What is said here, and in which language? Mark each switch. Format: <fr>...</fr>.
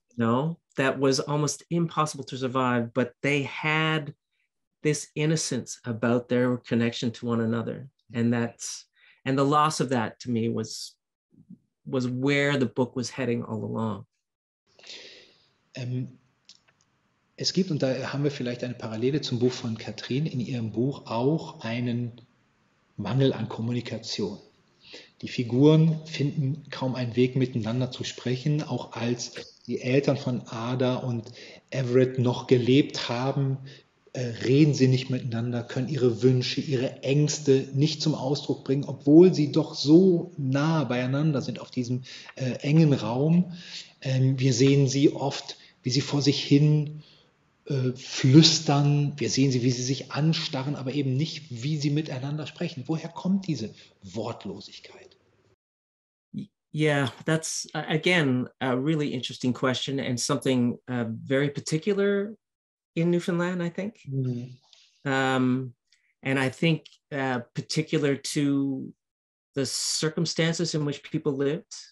<en>No, that was almost impossible to survive, but they had this innocence about their connection to one another. And the loss of that to me was where the book was heading all along.</en> <de>Es gibt, und da haben wir vielleicht eine Parallele zum Buch von Katrin, in ihrem Buch auch einen Mangel an Kommunikation. Die Figuren finden kaum einen Weg, miteinander zu sprechen, auch als die Eltern von Ada und Everett noch gelebt haben, reden sie nicht miteinander, können ihre Wünsche, ihre Ängste nicht zum Ausdruck bringen, obwohl sie doch so nah beieinander sind auf diesem engen Raum. Wir sehen sie oft, wie sie vor sich hin flüstern, wir sehen sie, wie sie sich anstarren, aber eben nicht, wie sie miteinander sprechen. Woher kommt diese Wortlosigkeit?</de> <en>Yeah, that's again a really interesting question and something very particular in Newfoundland, I think. Mm-hmm. And I think particular to the circumstances in which people lived.</en>